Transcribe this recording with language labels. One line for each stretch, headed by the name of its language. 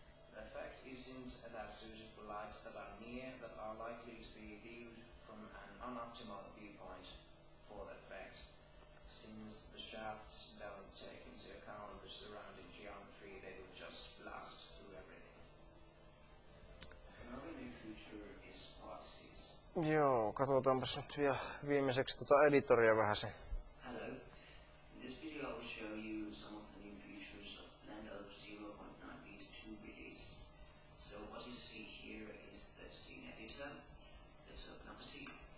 English: The effect isn't that suited for lights that are near that are likely to be viewed from an unoptimal viewpoint for the effect, since the shafts don't take into account the surrounding geometry, they will just blast through everything. Another new feature is boxes.
Finnish: Joo, katsotaanpas nyt vielä viimeiseksi tuota editoria vähäsen.
English: Hello. In this video I will show you some of the new features of Blender 0.9.2 release. So what you see here is the scene editor. Let's open up a scene.